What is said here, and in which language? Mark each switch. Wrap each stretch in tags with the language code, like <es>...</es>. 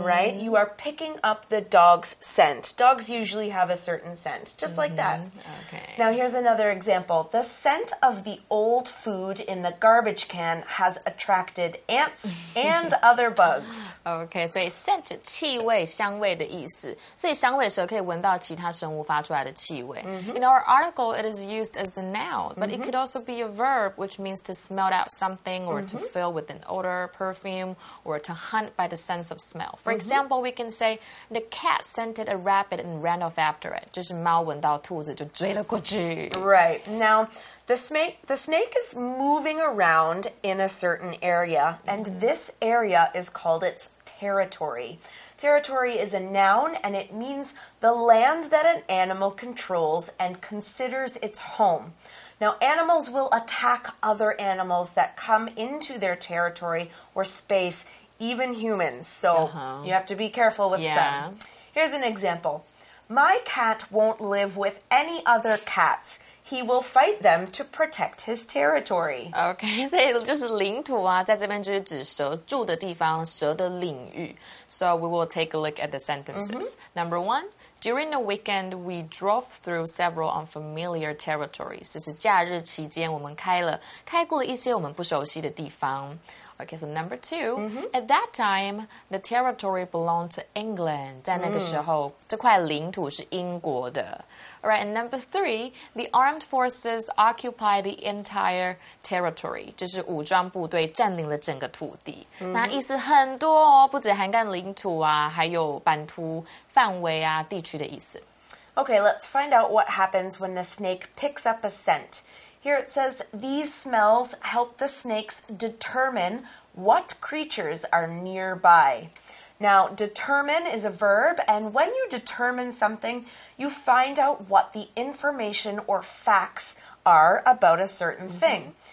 <en>right? You are picking up the dog's scent. Dogs usually have a certain scent, just mm-hmm. like that. Okay. Now, here's another example. The scent of the old food in the garbage can has attracted ants and other bugs.</en> <zh>Okay, 所以 scent 气味、香味的意思。所以香味的时候可以闻到其他生物发出来的气味。 Mm-hmm.</zh> <en>In our article, it is used as a noun, but mm-hmm. it could also be a verb, which means to smell out something or mm-hmm. to fill with an odor. Perfume or to hunt by the sense of smell. For mm-hmm. example, we can say the cat scented a rabbit and ran off after it.</en> <zh>就是猫闻到兔子就追了过去</zh> <en>Right. Now, the snake is moving around in a certain area, and this area is called its territory. Territory is a noun, and it means the land that an animal controls and considers its home. Now, animals will attack other animals that come into their territory or space, even humans. So, uh-huh. you have to be careful with yeah. some. Here's an example. My cat won't live with any other cats. He will fight them to protect his territory.</en> <zh>Okay, 所以就是领土啊，在这边就是指蛇住的地方，蛇的领域。</zh> <en>So, we will take a look at the sentences. Mm-hmm. Number one. During the weekend, we drove through several unfamiliar territories.</en> <zh>就是假日期间我们开过了一些我们不熟悉的地方。</zh> <en>Okay, so number two,、 mm-hmm. at that time, the territory belonged to England.</en> <zh>在那个时候、mm. 这块领土是英国的。</zh> <en>All right, and number three, the armed forces occupy the entire territory.</en> <zh>就是武装部队占领了整个土地。 Mm-hmm. 那意思很多哦，不只涵盖领土啊，还有版图、范围啊、地区的意思。</zh> <en>Okay, let's find out what happens when the snake picks up a scent. Here it says, these smells help the snakes determine what creatures are nearby. Now, determine is a verb, and when you determine something, you find out what the information or facts are about a certain mm-hmm. thing.</en>